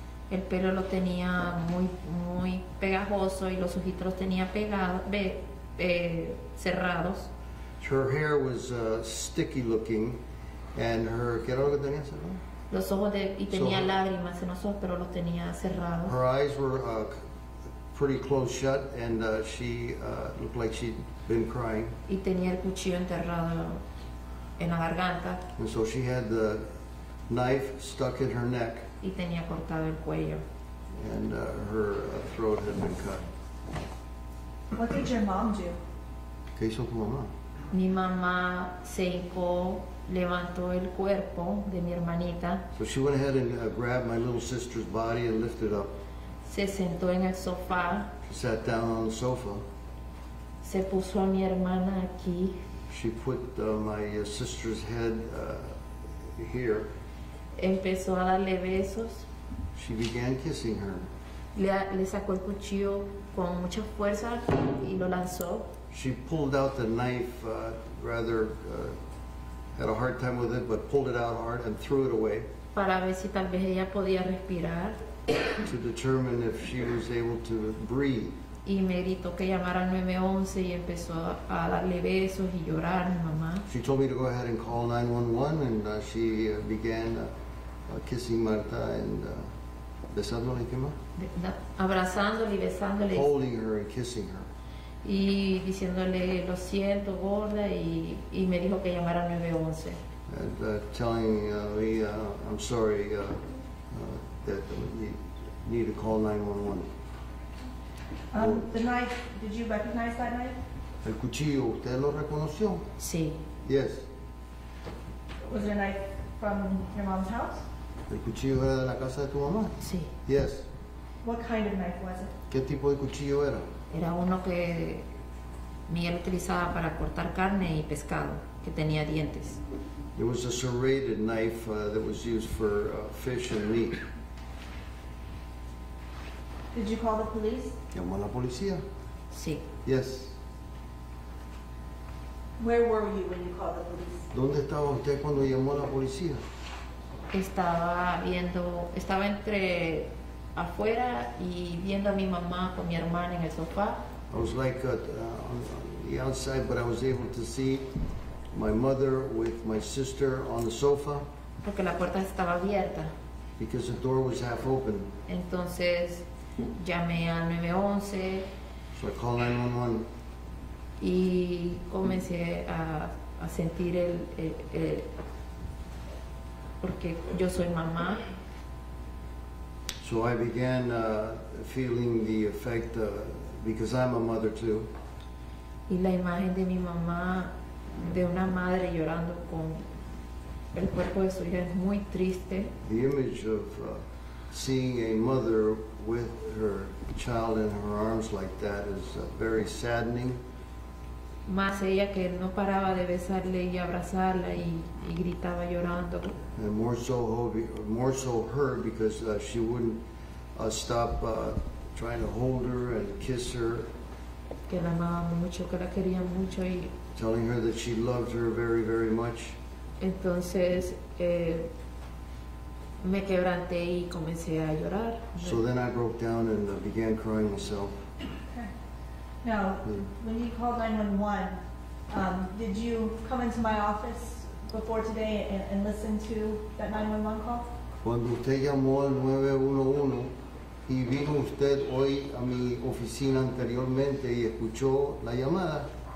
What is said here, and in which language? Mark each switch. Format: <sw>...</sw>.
<es>El pelo lo tenía muy pegajoso y los ojitos los tenía cerrados.</es> <en>Her hair was sticky looking, and her</en> <es>¿qué era lo que tenía cerrado? Los ojos y tenía lágrimas en los ojos, pero los tenía cerrados.</es> <en>Her eyes were pretty close shut, and she looked like she'd been crying.</en> <es>Y tenía el cuchillo enterrado en la garganta.</es> <en>And so she had the knife stuck in her neck.</en> <es>Y tenía cortado el cuello.</es> <en>And her throat had been cut. What did your mom do?</en> <es>¿Qué hizo tu mamá? Mi mamá se hincó, levantó el cuerpo de mi hermanita.</es> <en>So she went ahead and grabbed my little sister's body and lifted up.</en> <es>Se sentó en el sofá.</es> <en>She sat down on the sofa.</en> <es>Se puso a mi hermana aquí.</es> <en>She put my sister's head here.</en> <es>Empezó a darle besos.</es> <en>She began kissing her.</en> <es>Le sacó el cuchillo con mucha fuerza y lo lanzó.</es> <en>She pulled out the knife, had a hard time with it, but pulled it out hard and threw it away.</en> <es>Para ver si tal vez ella podía respirar.</es> <en>To determine if she was able to breathe.</en> <es>Y me gritó que llamara al 911 y empezó a darle besos y llorar mi mamá.</es> <en>She told me to go ahead and call 911 and she began kissing Marta and</en> <es>besándole y qué más. Abrazándole y besándole.</es> <en>Holding her and kissing her.</en> <es>Y diciéndole lo siento gorda y me dijo que llamara al 911.</es> <en>And telling me I'm sorry that we need to call 911. The knife, did you recognize that knife?</en> <es>El cuchillo, ¿usted lo reconoció? Sí.</es> <en>Yes. Was it a knife from your mom's house?</en> <es>El cuchillo era de la casa de tu mamá? Sí.</es> <en>Yes. What kind of knife was it?</en> <es>¿Qué tipo de cuchillo era? Era uno que Miguel utilizaba para cortar carne y pescado, que tenía dientes.</es> <en>It was a serrated knife that was used for fish and meat. Did you call the police?</en> <es>Llamó a la policía. Sí.</es> <en>Yes. Where were you when you called the police?</en> <es>¿Dónde estaba usted cuando llamó a la policía? Estaba entre afuera y viendo a mi mamá con mi hermana en el sofá.</es> <en>I was like on the outside, but I was able to see my mother with my sister on the sofa.</en> <es>Porque la puerta estaba abierta.</es> <en>Because the door was half open.</en> <es>Entonces llamé al 911.</es> <en>So I called 911.</en> <es>Y comencé a sentir el porque yo soy mamá.</es> <en>So I began feeling the effect because I'm a mother too.</en> <es>Y la imagen de mi mamá, de una madre llorando con el cuerpo de su hija es muy triste.</es> <en>The image of seeing a mother with her child in her arms like that is very saddening.</en> <es>Más ella que no paraba de besarle y abrazarla y gritaba llorando.</es> <en>And more so her because she wouldn't stop trying to hold her and kiss her.</en> <es>Que la amaba mucho, que la quería mucho y</es> <en>telling her that she loved her very, very much.</en> <es>Entonces, me quebranté y comencé a llorar.</es> <en>So then I broke down and began crying myself. Okay. Now, when you called 911, did you come into my office before today and listen to that 911 call?</en> <es>Cuando usted llamó al 911 y vino usted hoy a mi oficina anteriormente y escuchó la llamada.</es>